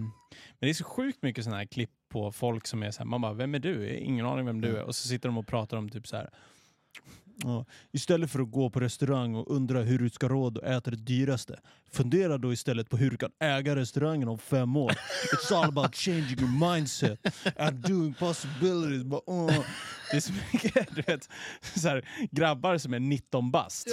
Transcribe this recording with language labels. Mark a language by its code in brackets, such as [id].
[sv] Men det är så sjukt mycket sådana här klipp på folk som är så här, man bara, vem är du? Jag har ingen aning vem du är. Och så sitter de och pratar om typ så här. Istället för att gå på restaurang och undra hur du ska råd och äta det dyraste, fundera då istället på hur du kan äga restaurangen om 5 år. [en] It's all about changing your mindset and doing possibilities. [sv] But, Det är så mycket, du vet, så här, grabbar som är 19 bast.